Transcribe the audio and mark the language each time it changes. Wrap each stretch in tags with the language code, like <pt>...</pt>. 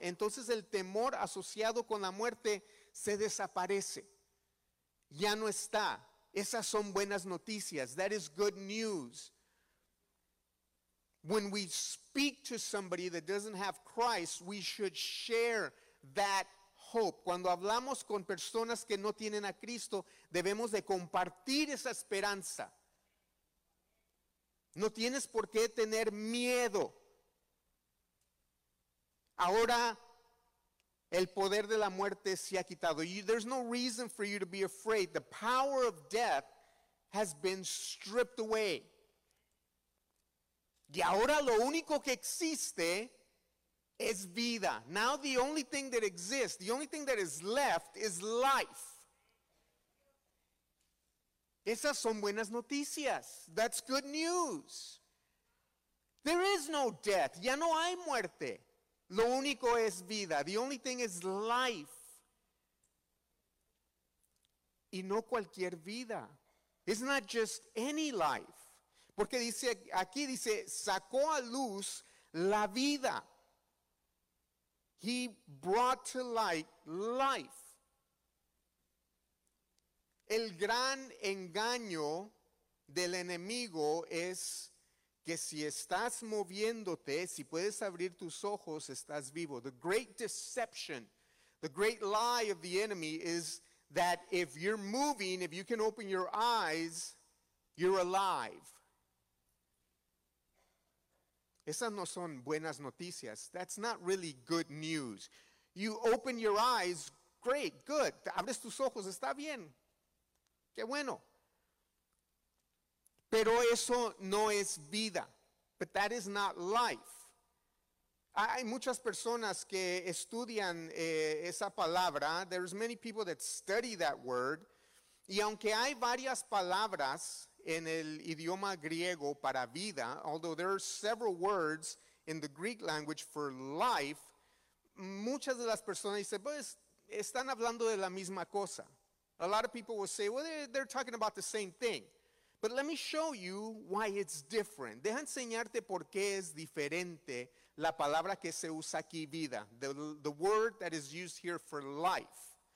<es>Entonces el temor asociado con la muerte se desaparece. Ya no está. Esas son buenas noticias.</es> <en>That is good news. When we speak to somebody that doesn't have Christ, we should share that hope.</en> <es>Cuando hablamos con personas que no tienen a Cristo, debemos de compartir esa esperanza. No tienes por qué tener miedo. Ahora, el poder de la muerte se ha quitado.</es> <en>There's no reason for you to be afraid. The power of death has been stripped away.</en> <es>Y ahora lo único que existe es vida.</es> <en>Now the only thing that exists, the only thing that is left is life.</en> <es>Esas son buenas noticias.</es> <en>That's good news. There is no death.</en> <es>Ya no hay muerte. Lo único es vida.</es> <en>The only thing is life.</en> <es>Y no cualquier vida.</es> <en>It's not just any life.</en> <es>Porque dice aquí, dice, sacó a luz la vida.</es> <en>He brought to light life.</en> <es>El gran engaño del enemigo es que si estás moviéndote, si puedes abrir tus ojos, estás vivo.</es> <en>The great deception, the great lie of the enemy is that if you're moving, if you can open your eyes, You're alive.</en> <es>Esas no son buenas noticias.</es> <en>That's not really good news. You open your eyes, great, good.</en> <es>Te abres tus ojos, está bien. Qué bueno. Pero eso no es vida.</es> <en>But that is not life.</en> <es>Hay muchas personas que estudian esa palabra.</es> <en>There's many people that study that word.</en> <es>Y aunque hay varias palabras en el idioma griego para vida,</es> <en>although there are several words in the Greek language for life,</en> <es>muchas de las personas dicen, pues, están hablando de la misma cosa.</es> <en>A lot of people will say, well, they're talking about the same thing. But let me show you why it's different.</en> <es>Deja enseñarte por qué es diferente la palabra que se usa aquí, vida.</es> <en>The word that is used here for life.</en>